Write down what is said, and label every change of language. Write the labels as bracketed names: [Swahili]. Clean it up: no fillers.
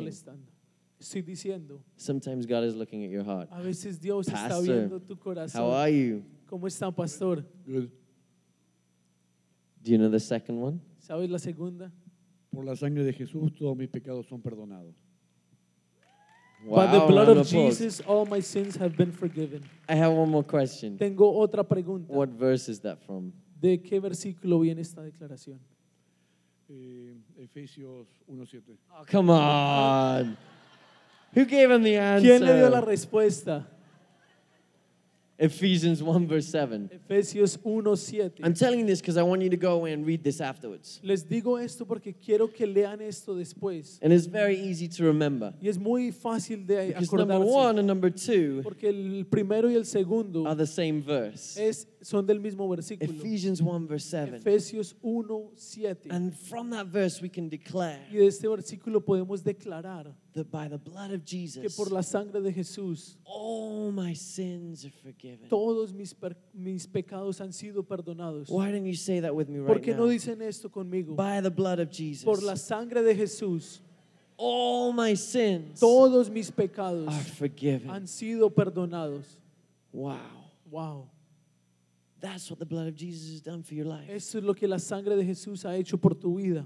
[Spanish] Molestando. Estoy diciendo, [English] sometimes God is looking at your heart. [Spanish] A veces Dios pastor, está viendo tu corazón. [English] How are you? [Spanish] ¿Cómo está, pastor? [English] Good. Do you know the second one? [Spanish] ¿Sabes la segunda? Por la sangre de Jesús todos mis pecados son perdonados. [English] Wow, by the blood of Jesus, all my sins have been forgiven. I have one more question. [Spanish] Tengo otra pregunta. [English] What verse is that from? [Spanish] ¿De qué versículo viene esta declaración? Efesios 1:7. [English] Oh, come on. Who gave him the answer? [Spanish] ¿Quién le dio la respuesta? [English] Ephesians 1 verse 7. [Spanish] Efesios 1:7. [English] I'm telling this because I want you to go away and read this afterwards. [Spanish] Les digo esto porque quiero que lean esto después. [English] And it's very easy to remember. [Spanish] Y es muy fácil de [English] because [Spanish] acordarse. [English] Number one and number two, [Spanish] porque el primero y el segundo [English] are the same verse. [Spanish] Es son del mismo versículo. [English] Ephesians 1 verse 7. [Spanish] Efesios 1:7. [English] And from that verse we can declare. [Spanish] Y de este versículo podemos declarar. [English] That by the blood of Jesus, [Spanish] que por la sangre de Jesús, [English] all my sins are forgiven. [Spanish] Todos mis pecados han sido perdonados. [English] Why didn't you say that with me right [Spanish] ¿Por qué [English] now? [Spanish] No dicen esto conmigo? [English] By the blood of Jesus, [Spanish] por la sangre de Jesús, [English] all my sins, [Spanish] todos mis pecados, [English] are forgiven. [Spanish] Han sido perdonados. Wow. Wow. [English] That's what the blood of Jesus has done for your life. Eso es lo que la sangre de Jesús ha hecho por tu vida.